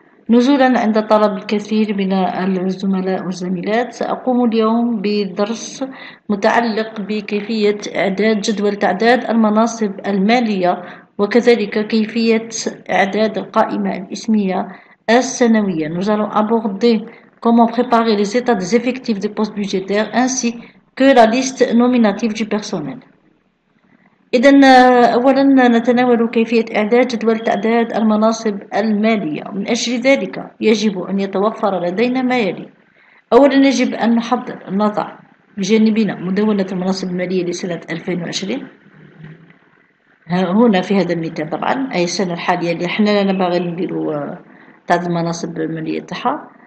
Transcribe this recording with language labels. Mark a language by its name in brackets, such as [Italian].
[Arabic] نزولا عند طلب الكثير من الزملاء والزميلات، سأقوم اليوم بدرس متعلق بكيفية إعداد جدول تعداد المناصب المالية، وكذلك كيفية إعداد القائمة الاسمية السنوية. [French] Nous allons aborder comment préparer les états des effectifs des postes budgétaires ainsi que la liste nominative du personnel. [Arabic] إذا أولا نتناول كيفية إعداد جدول تعداد المناصب المالية. من أجل ذلك يجب أن يتوفر لدينا ما يلي: أولا يجب أن نحضر نضع بجانبنا مدونة المناصب المالية لسنة 2020، هنا في هذا المثال طبعا أي السنة الحالية اللي حنا لا نبغي نديرو تعداد المناصب المالية تاعها.